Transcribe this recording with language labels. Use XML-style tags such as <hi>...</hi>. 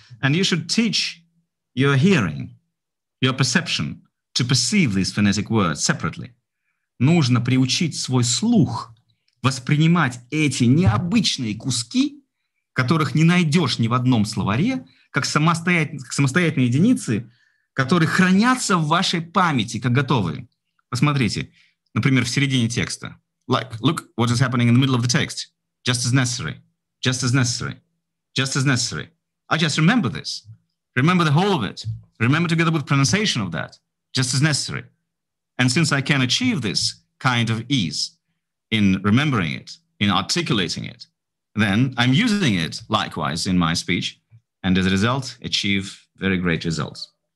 <en>And you should teach your hearing, your perception, to perceive these phonetic words separately.</en> <ru>Нужно приучить свой слух воспринимать эти необычные куски, которых не найдешь ни в одном словаре, как самостоятельные единицы, которые хранятся в вашей памяти, как готовые. Посмотрите, например, в середине текста.</ru> <en>Like, look what is happening in the middle of the text. Just as necessary. Just as necessary. Just as necessary. I just remember this. Remember the whole of it. Remember together with pronunciation of that. Just as necessary. And since I can achieve this kind of ease in remembering it, in articulating it, then I'm using it likewise in my speech, and as a result, achieve very great results.</en>